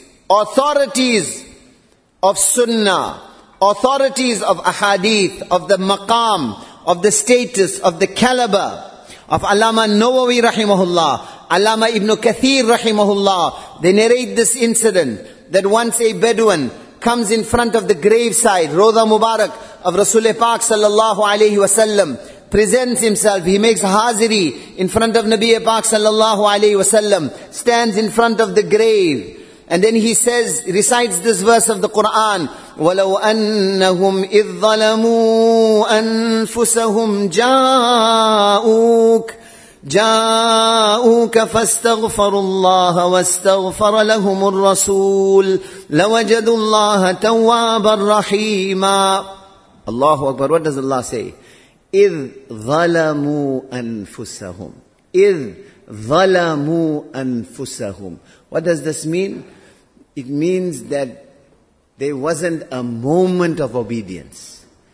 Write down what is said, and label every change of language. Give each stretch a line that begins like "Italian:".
English: Authorities of sunnah, authorities of ahadith, of the maqam, of the status, of the caliber of Allama Nawawi rahimahullah, Allama Ibn Kathir rahimahullah, they narrate this incident that once a Bedouin comes in front of the graveside, Rawdah Mubarak of Rasulullah Pak sallallahu alayhi wa sallam, presents himself, he makes haziri in front of Nabi Pak sallallahu alayhi wa sallam, stands in front of the grave. And then he says, recites this verse of the Quran,
Arabic: وَلَوْ أَنَّهُمْ إِذْ ظَلَمُوا أَنفُسَهُمْ جَاءُوكَ فَاسْتَغْفَرُوا اللَّهَ وَاسْتَغْفَرَ لَهُمُ الرَّسُولُ لَوَجَدُوا اللَّهَ تَوَّابًا رَحِيمًا.
English: Allahu Akbar, what does Allah say?
Arabic: إِذْ ظَلَمُوا أَنفُسَهُمْ. إِذْ ظَلَمُوا أَنفُسَهُمْ.
English: What does this mean? It means that there wasn't a moment of obedience.